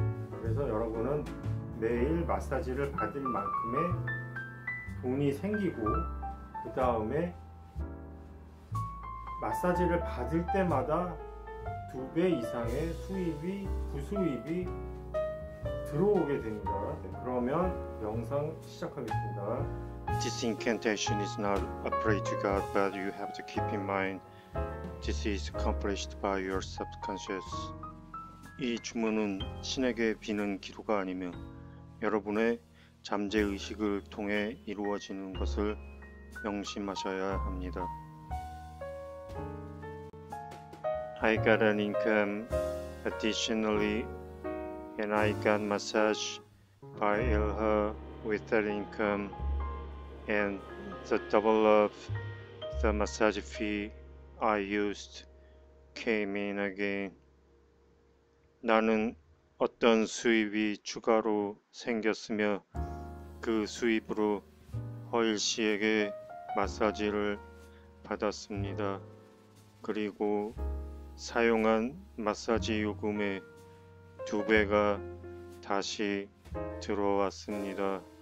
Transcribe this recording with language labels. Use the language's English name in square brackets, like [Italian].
[Korean] 그래서 여러분은 매일 마사지를 받을 만큼의 돈이 생기고 그 다음에 마사지를 받을 때마다 두 배 이상의 수입이, 부수입이 들어오게 됩니다. 네, 그러면 영상 시작하겠습니다. [English] This incantation is not a prayer to God, but you have to keep in mind this is accomplished by your subconscious. [Korean] 이 주문은 신에게 비는 기도가 아니며 여러분의 잠재의식을 통해 이루어지는 것을 명심하셔야 합니다. [English] I got an income additionally and I got massage by Elha with that income and the double of the massage fee I used came in again. [Korean] 나는 어떤 수입이 추가로 생겼으며 그 수입으로 허일 씨에게 마사지를 받았습니다. 그리고 사용한 마사지 요금의 두 배가 다시 들어왔습니다.